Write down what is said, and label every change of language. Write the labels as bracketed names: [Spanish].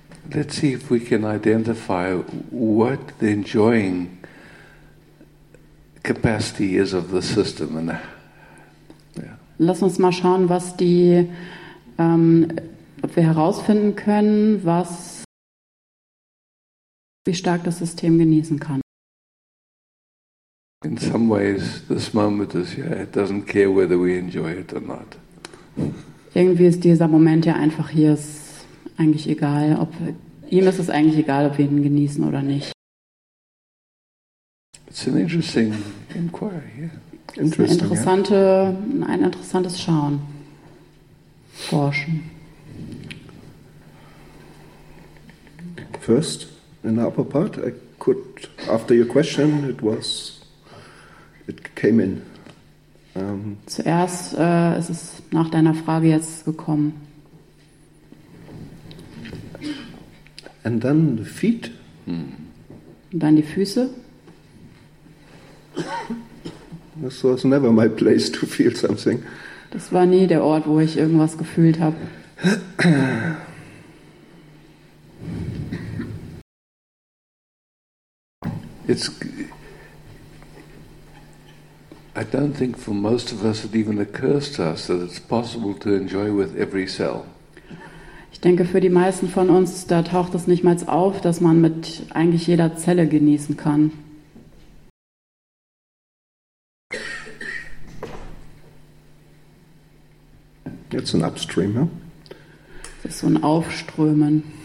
[English] Let's see if we can identify what the enjoying capacity is of the system and [German] lass uns mal schauen, was die, ob wir herausfinden können, was, wie stark das System genießen kann. [English] In some ways, this moment is, it doesn't care whether we enjoy it or not. [German] Irgendwie ist dieser Moment ja einfach hier, ist eigentlich egal, ob, ihm ist es eigentlich egal, ob wir ihn genießen oder nicht. [English] It's an interesting inquiry, yeah. [German] Ein interessantes Schauen, Forschen. [English] First, in the upper part, I could, after your question, it came in. [German] Zuerst ist es nach deiner Frage jetzt gekommen. [English] And then the feet. [German] Und dann die Füße. [English] This was never my place to feel something. [German] Das war nie der Ort, wo ich irgendwas gefühlt habe. [English] It's. I don't think for most of us it even occurs to us that it's possible to enjoy with every cell. [German] Ich denke, für die meisten von uns da taucht es nicht mal auf, dass man mit eigentlich jeder Zelle genießen kann. [English] It's an upstream, huh? [German] Das ist so ein Aufströmen.